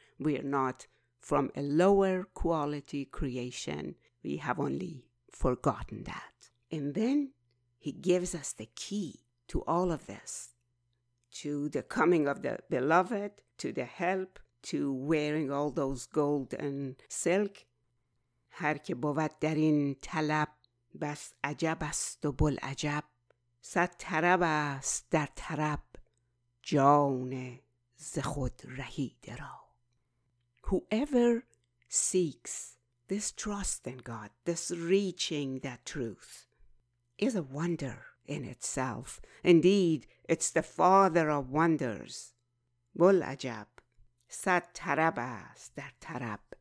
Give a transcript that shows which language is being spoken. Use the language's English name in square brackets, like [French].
[English] We are not from a lower quality creation. We have only forgotten that. And then he gives us the key to all of this, to the coming of the beloved, to the help, to wearing all those gold and silk. [Persian] هر که بود در این طلب بس عجب است و بل عجب، صد طرب است در طرب جان ز خود رهیده را. [English] Whoever seeks this trust in God, this reaching that truth, is a wonder in itself. Indeed, it's the father of wonders. [Persian] بل عجب صد طرب است در طرب